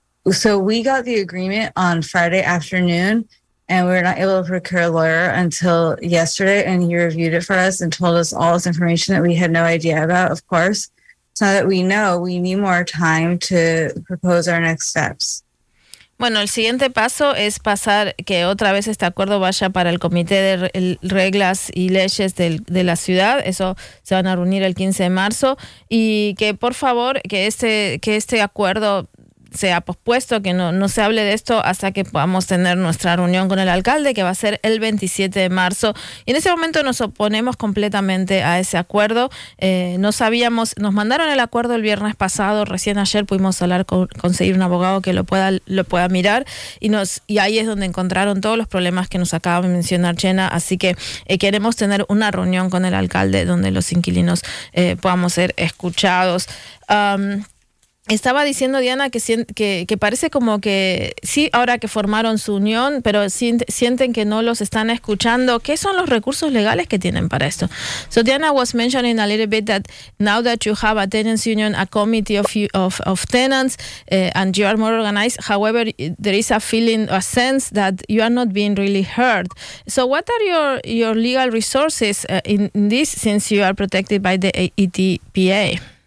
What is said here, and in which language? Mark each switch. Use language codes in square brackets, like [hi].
[en] So we got the agreement on Friday afternoon, and we were not able to procure a lawyer until yesterday, and he reviewed it for us and told us all this information that we had no idea about, of course. So that we know, we need more time to propose our next steps. [es] Bueno, el siguiente paso es pasar que otra vez este acuerdo vaya para el Comité de Reglas y Leyes de la ciudad. Eso se van a reunir el 15 de marzo. Y que, por favor, que este acuerdo sea pospuesto, que no se hable de esto hasta que podamos tener nuestra reunión con el alcalde, que va a ser el 27 de marzo. Y en ese momento nos oponemos completamente a ese acuerdo. No sabíamos, nos mandaron el acuerdo el viernes pasado, recién ayer pudimos hablar conseguir un abogado que lo pueda mirar, y ahí es donde encontraron todos los problemas que nos acaba de mencionar Jenna. Así que queremos tener una reunión con el alcalde donde los inquilinos podamos ser escuchados. Estaba diciendo Diana que parece como que sí, ahora que formaron su unión, pero sienten que no los están escuchando. ¿Qué son los recursos legales que tienen para esto? [en] So Diana was mentioning a little bit that now that you have a tenants union, a committee of tenants, and you are more organized, however, there is a feeling, a sense that you are not being really heard. So what are your legal resources in this, since you are protected by the ETPA?